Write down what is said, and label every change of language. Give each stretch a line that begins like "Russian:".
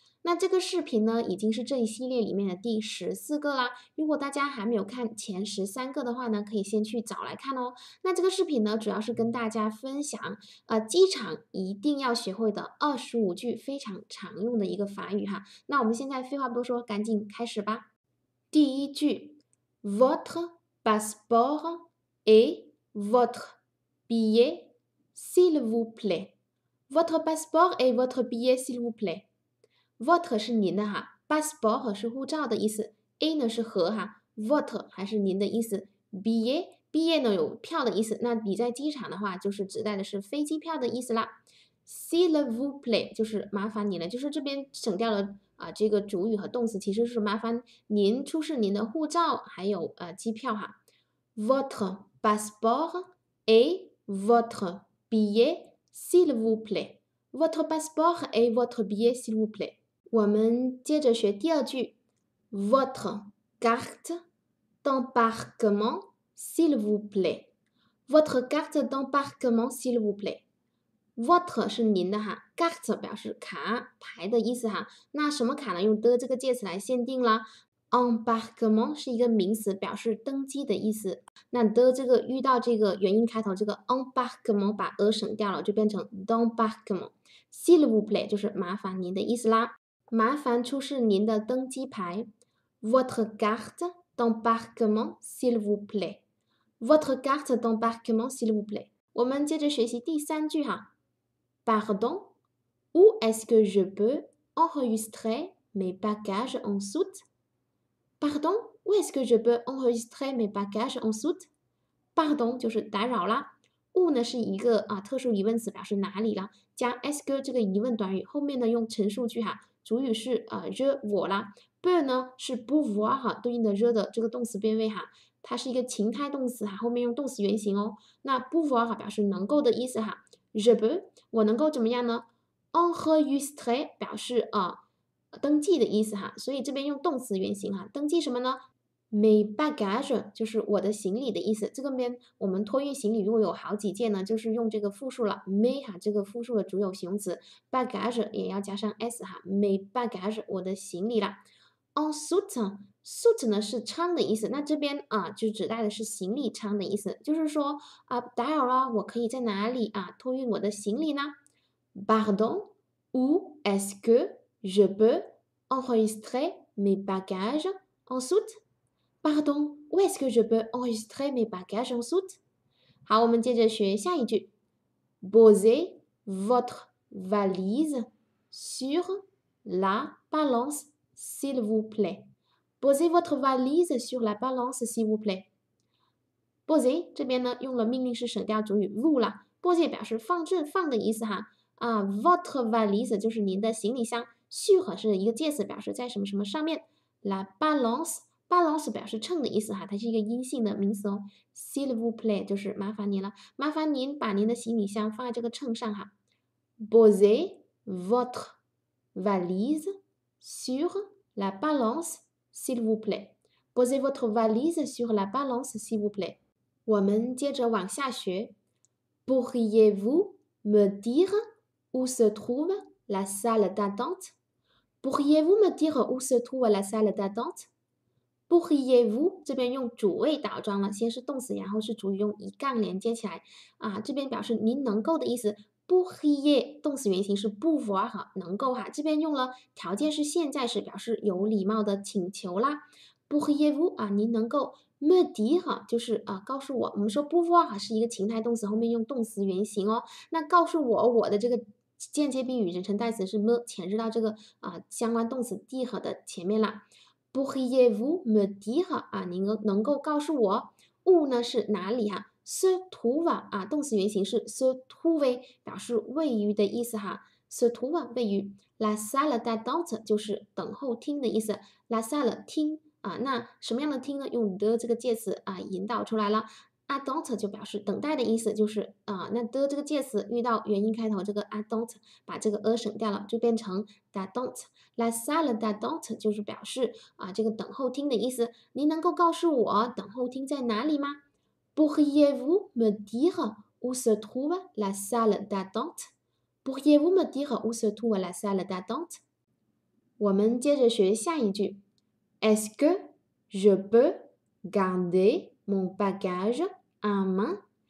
Chinese: 那这个视频呢，已经是这一系列里面的第14个啦。如果大家还没有看前13个的话呢，可以先去找来看哦。那这个视频呢，主要是跟大家分享，机场一定要学会的25句非常常用的一个法语哈。那我们现在废话不多说，赶紧开始吧。
French: 第一句，Votre passeport et votre billet, s'il vous plaît. Votre passeport et votre billet, s'il vous plaît.
Chinese: Votre 是您的哈，passeport 是护照的意思，et 呢是和哈，votre 还是您的意思，billet 呢有票的意思，那你在机场的话，就是指代的是飞机票的意思啦。
French: S'il vous plaît，
Chinese: 就是麻烦您了，就是这边省掉了这个主语和动词，其实是麻烦您出示您的护照还有机票哈。
French: Votre passeport et votre billet, s'il vous plaît. Votre passeport et votre billet, s'il vous plaît.
Chinese: 我们接着学第二句，
French: Votre carte d'embarquement, s'il vous plaît. Votre carte d'embarquement, s'il vous plaît.
Chinese: Votre 是您的哈，carte 表示卡牌的意思哈。那什么卡呢？用 的 这个介词来限定啦。Embarquement 是一个名词，表示登机的意思。那 的 这个遇到这个元音开头，这个 embarquement 把 e 省掉了，就变成 d'embarquement。
French: S'il vous plaît
Chinese: 就是麻烦您的意思啦。麻烦出示您的登机牌。
French: Votre carte d'embarquement s'il vous plaît. Votre carte d'embarquement s'il vous plaît.
Chinese: 我们接着学习第三句哈。
French: Pardon, où est-ce que je peux enregistrer mes bagages en soute? Pardon, où est-ce que je peux enregistrer mes bagages en soute?
Chinese: Pardon 就是打扰啦。Où 呢是一个特殊疑问词，表示哪里啦。加 est-ce que 这个疑问短语，后面呢用陈述句哈，主语是je 我啦。 Peux 呢是 pouvoir 哈，对应的 je 的这个动词变位哈，它是一个情态动词哈，后面用动词原形哦。那 pouvoir 哈表示能够的意思哈。Je peux，我能够怎么样呢？Enregistrer 表示登记的意思哈，所以这边用动词原形哈，登记什么呢？Mes bagages 就是我的行李的意思。这个边我们托运行李如果有好几件呢，就是用这个复数了。 Mes 哈这个复数的主有形容词，bagage 也要加上 s 哈，mes bagages 我的行李啦。 En soute 呢是舱的意思，那这边就指代的是行李舱的意思，就是说打扰了，我可以在哪里托运我的行李呢？
French: Pardon, où est-ce que je peux enregistrer mes bagages en soute? Pardon, où est-ce que je peux enregistrer mes bagages en soute?
Chinese: 好，我们接着学下一句。
French: Posez votre valise sur la balance, s'il vous plaît. Posez votre valise sur la balance, s'il vous plaît.
Chinese: Posez 这边呢用了命令式省掉主语 vous 啦。Posez 表示放置放的意思哈。 Votre valise 就是您的行李箱。Sur 是一个介词，表示在什么什么上面。 La balance balance 表示秤的意思哈，它是一个阴性的名词哦。
French: S'il vous plaît
Chinese: 就是麻烦您了，麻烦您把您的行李箱放在这个秤上哈。
French: Posez votre valise sur la balance。 S'il vous plaît, posez votre valise sur la balance, s'il vous plaît.
Chinese: 我们接着往下学。
French: Pourriez-vous me dire où se trouve la salle d'attente? Pourriez-vous me dire où se trouve la salle d'attente?
Chinese: Pourriez-vous 这边用主谓倒装了，先是动词，然后是主语，用一杠连接起来。这边表示您能够的意思。Pourriez 动词原形是 pouvoir 能够哈，这边用了条件是现在时，表示有礼貌的请求啦。 Pourriez-vous 您能够 me dire 就是告诉我，我们说 pouvoir 是一个情态动词，后面用动词原形哦。那告诉我的这个间接宾语人称代词是 me 前置到这个相关动词 dire 的前面啦。
French: Pourriez-vous me dire
Chinese: 您能够告诉我 où 呢是哪里哈？ se trouve 动词原形是 se trouve 表示位于的意思哈。 se trouve 位于 la salle d'attente 就是等候厅的意思。 la salle 厅那什么样的厅呢？用 的 这个介词引导出来了。啊 don't 就表示等待的意思，就是啊、那 the 这个介词遇到元音开头这个 I don't，把这个 a 省掉了，就变成 that don't。 La salle that don't 就是表示啊、这个等候厅的意思。您能够告诉我等候厅在哪里吗？
French: Pourriez-vous me dire où se trouve la salle d'attente？ Pourriez-vous me dire où se trouve la salle d'attente？
Chinese: 我们接着学下一句。
French: Est-ce que je peux garder mon bagage à main？